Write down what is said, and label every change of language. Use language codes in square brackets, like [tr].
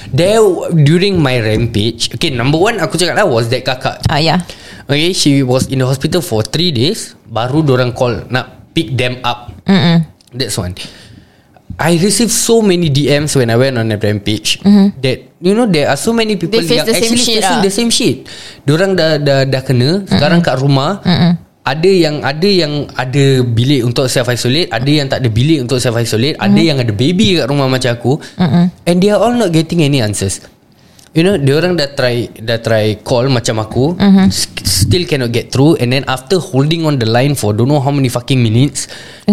[en] During my rampage, okay, number one [ms] aku cakap lah [en] was that kakak. Yeah. Okay, she was in the hospital for 3 days. [ms] Baru dorang call nak [en] pick them up. Mm-mm. That's one. I received so many DMs when I went on a rampage, mm-hmm. that, you know, there are so many people [ms] yang actually [en] facing the same shit. [ms] Diorang dah kena, mm-hmm. sekarang kat rumah, mm-hmm. ada yang ada bilik untuk self-isolate, ada yang tak ada bilik untuk self-isolate, mm-hmm. ada yang ada baby kat rumah macam aku, mm-hmm. [en] and they are all not getting any answers. You know, [ms] diorang dah try call macam aku, [en] mm-hmm. still cannot get through. And then after holding on the line for don't know how many fucking minutes, mm-hmm.